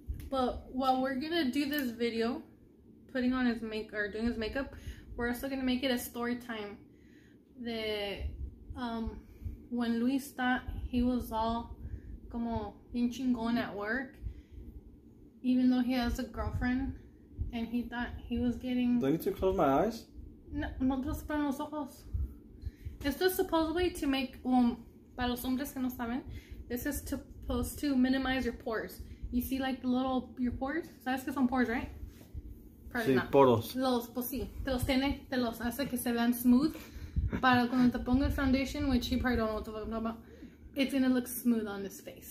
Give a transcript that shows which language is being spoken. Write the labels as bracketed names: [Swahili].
[English] But while we're going to do this video... putting on his makeup or doing his makeup, we're also gonna make it a story time. The when Luis thought he was all [Spanish] como bien chingón [English] at work, even though he has a girlfriend, and he thought he was getting... Do I need to close my eyes? [Spanish] No, no te vas a poner los ojos. Esto es [English] supposedly to make, [Spanish] para los hombres que no saben, [English] this is supposed to minimize your pores. You see, like the little your pores, [Spanish] sabes que son [English] pores, right? [Spanish] Sí, no. Poros. Los, pues sí, te los tiene, te los hace que se vean smooth. Para cuando te ponga el [English] foundation, which you probably don't know what the fuck I'm talking about, it's gonna look smooth on his face.